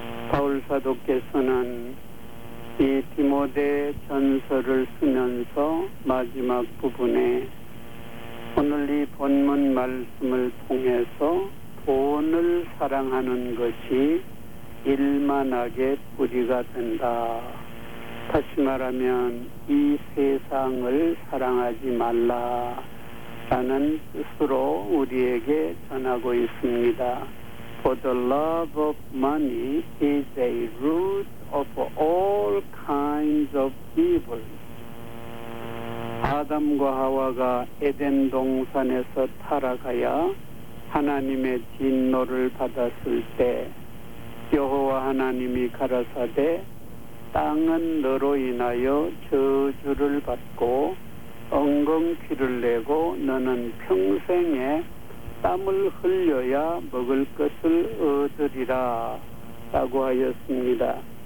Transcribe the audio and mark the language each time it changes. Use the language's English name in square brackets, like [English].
[Korean] 바울사도께서는 이 디모데 전서를 쓰면서 마지막 부분에 오늘 이 본문 말씀을 통해서 돈을 사랑하는 것이 일만하게 뿌리가 된다. 다시 말하면 이 세상을 사랑하지 말라 라는 뜻으로 우리에게 전하고 있습니다. [English] For the love of money is a root of all kinds of evil. [Korean] 아담과 하와가 에덴 동산에서 타락하여 하나님의 진노를 받았을 때 여호와 하나님이 가라사대 땅은 너로 인하여 저주를 받고 엉겅퀴를 내고 너는 평생에 땀을 흘려야 먹을 것을 얻으리라 라고 하였습니다.